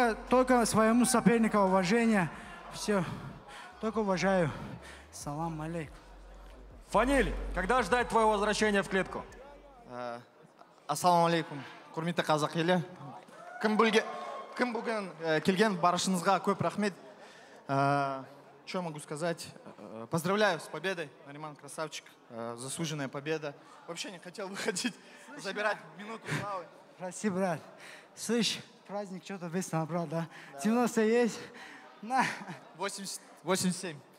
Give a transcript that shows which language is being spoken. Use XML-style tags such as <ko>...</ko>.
<ru>Только своему сопернику уважение. Все. Только уважаю. Салам алейкум. Фанил, когда ждать твоего возвращения в клетку?</ru> <kk>Ассаламу алейкум, құрметті қазақ елі. Кім бүгін келген барышыңызға көп рахмет.</kk> <ru>Что могу сказать? Поздравляю с победой, Нариман, красавчик. Заслуженная победа. Вообще не хотел выходить, забирать минуту славы. Прости, брат. Слышь, праздник что-то весь набрал, да? 90 есть? На. 87.</ru>